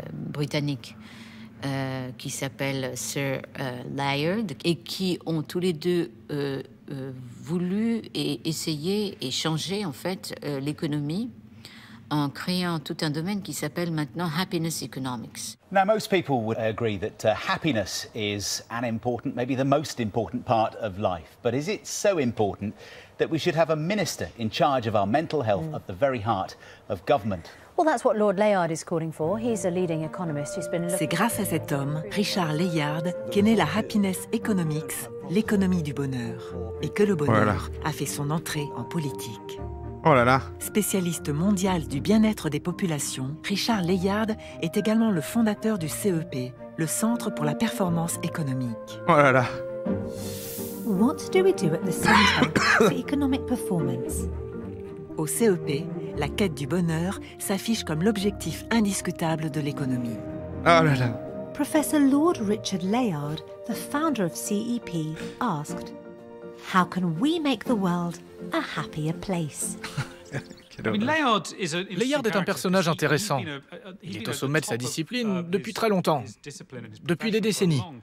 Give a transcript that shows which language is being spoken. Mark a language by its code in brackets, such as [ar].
[fr] britannique, qui s'appelle Sir Laird, et qui ont tous les deux... voulu et essayer et changer en fait l'économie en créant tout un domaine qui s'appelle maintenant happiness economics. [en] Now most people would agree that happiness is an important, maybe the most important part of life. But is it so important that we should have a minister in charge of our mental health at the very heart of government? Well, that's what Lord Layard is calling for. He's a leading economist. He's been. [fr] C'est grâce à cet homme, Richard Layard, qu'est née la happiness economics. L'économie du bonheur, et que le bonheur a fait son entrée en politique. Oh là là. Spécialiste mondial du bien-être des populations, Richard Layard est également le fondateur du CEP, le Centre pour la Performance Économique. Oh là là. [en] What do we do at the Centre for Economic Performance? [fr] Au CEP, la quête du bonheur s'affiche comme l'objectif indiscutable de l'économie. Oh là là. [en] Professor Lord Richard Layard, the founder of CEP, asked, "How can we make the world a happier place?" [fr] Layard est un personnage intéressant. Il est au sommet de sa discipline depuis très longtemps, depuis des décennies.